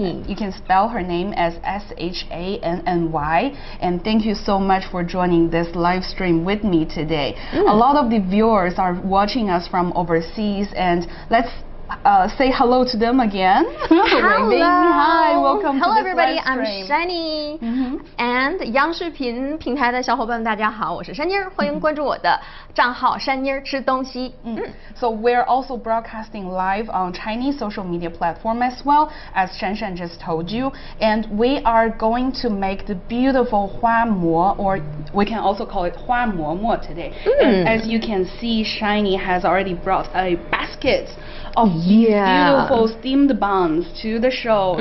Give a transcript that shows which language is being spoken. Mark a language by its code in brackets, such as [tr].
[en] You can spell her name as S-H-A-N-N-Y. And thank you so much for joining this live stream with me today. Mm. A lot of the viewers are watching us from overseas, and let's say hello to them again. Hello. Hi, welcome. Hello, to this everybody. Live stream. I'm Shani. Mm-hmm. [zh] And 央视频平台的小伙伴们，大家好，我是山妮儿。欢迎关注我的账号山妮儿吃东西。 [en] So we're also broadcasting live on Chinese social media platform as well, as Shanshan just told you. And we are going to make the beautiful 花馍, or we can also call it 花馍馍 today. And as you can see, Shiny has already brought a basket of beautiful steamed buns to the show.